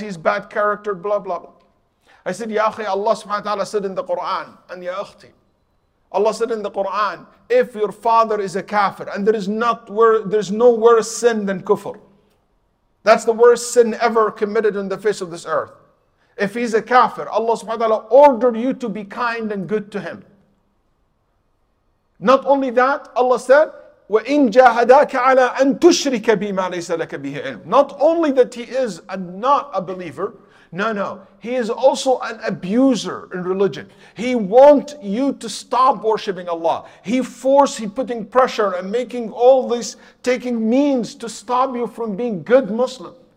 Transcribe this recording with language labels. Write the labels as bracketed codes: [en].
[en] He's bad character, blah, blah, blah. I said, Ya akhi, Allah subhanahu wa ta'ala said in the Quran, and ya akhti, Allah said in the Quran, if your father is a kafir, and there's no worse sin than kufr. That's the worst sin ever committed on the face of this earth. If he's a kafir, Allah subhanahu wa ta'ala ordered you to be kind and good to him. Not only that, Allah said, [ar] وَإِنْ جَاهَدَاكَ عَلَىٰ أَنْ تُشْرِكَ بِمَا لَيْسَ لَكَ بِهِ عِلْمٍ. [en] Not only that he is not a believer, No, he is also an abuser in religion. He wants you to stop worshiping Allah. He's putting pressure and making all this, taking means to stop you from being good Muslim.